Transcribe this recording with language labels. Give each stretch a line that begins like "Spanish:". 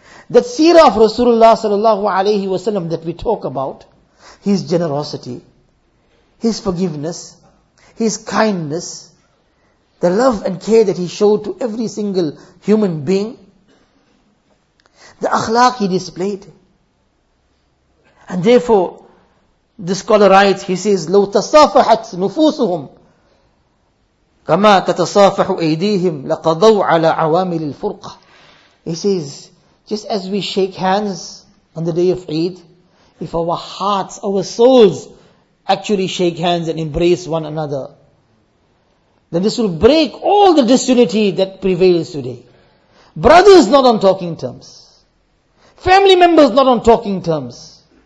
English: That seerah of Rasulullah sallallahu alayhi wa sallam that we talk about. His generosity. His forgiveness. His kindness. The love and care that he showed to every single human being. The akhlaq he displayed.
Arabic: And therefore, the scholar writes, he says, لَوْ تَصَافَحَتْ نُفُوسُهُمْ كَمَا تَتَصَافَحُ أَيْدِيهِمْ لَقَضَوْ عَلَى عَوَامِلِ الْفُرْقَةِ.
English: He says, just as we shake hands on the day of Eid, if our hearts, our souls actually shake hands and embrace one another, then this will break all the disunity that prevails today. Brothers not on talking terms. Family members not on talking terms.